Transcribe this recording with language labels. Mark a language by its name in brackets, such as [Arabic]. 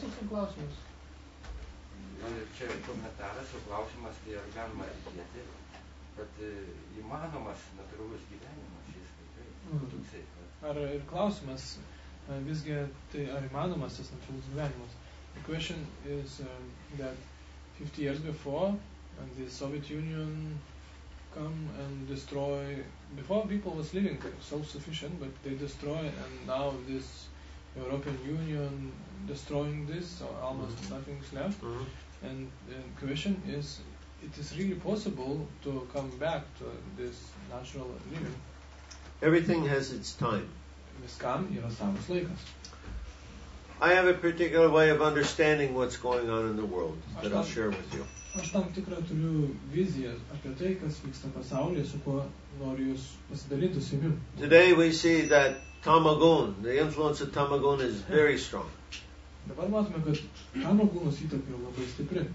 [Lithuanian] Čia komentaras jūsų klausimas? Čia komentaras jūsų klausimas, tai ar galima atidėti, kad įmanomas natūralus gyvenimas jis tikrai. Ar ir klausimas? Visgi, tai ar įmanomas tas natūralus gyvenimas? [English] The question is that 50 years before and the Soviet Union come and destroy, before people was living self-sufficient, but they destroy and now this European Union destroying this, so almost nothing is left. And the question is, it is really possible to come back to this natural living? Everything has its time. [Lithuanian] Viskam yra savas laikas. [English] I have a particular way of understanding what's going on in the world that I'll share with you. [Lithuanian] Aš tam tikrą turiu viziją apie tai, kas vyksta pasaulyje, su kuo noriu jūs pasidalyti su jumis. [English] Today we see that Tamagun, the influence of Tamagun is very strong. [Lithuanian] Dabar matome, kad Tamagunas įtaka yra labai stipri.